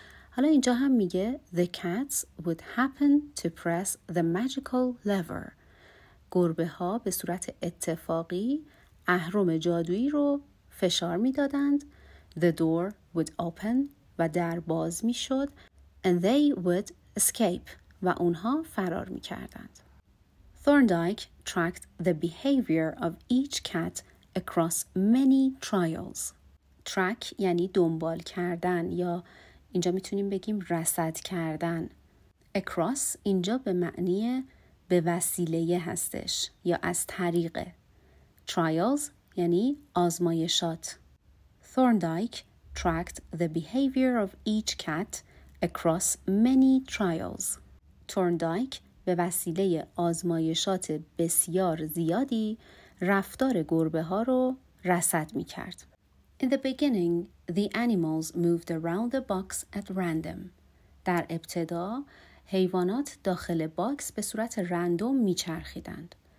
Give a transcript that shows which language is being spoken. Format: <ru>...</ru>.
<fa>حالا اینجا هم میگه</fa> <en>The cats would happen to press the magical lever.</en> <fa>گربه ها به صورت اتفاقی اهرم جادویی رو فشار میدادند.</fa> <en>The door would open</en> <fa>و در باز می شد</fa> <en>and they would escape</en> <fa>و اونها فرار می کردند.</fa> <en>Thorndike tracked the behavior of each cat across many trials.</en> <fa>Track یعنی دنبال کردن یا اینجا می تونیم بگیم رصد کردن. Across اینجا به معنی به وسیله هستش یا از طریق. Trials یعنی آزمایشات.</fa> <en>Thorndike tracked the behavior of each cat across many trials.</en> <fa>Thorndike به وسیله آزمایشات بسیار زیادی رفتار گربه ها رو رصد می کرد.</fa> <en>In the beginning, the animals moved around the box at random.</en> <fa>در ابتدا، حیوانات داخل باکس به صورت رندوم می چرخیدند.</fa>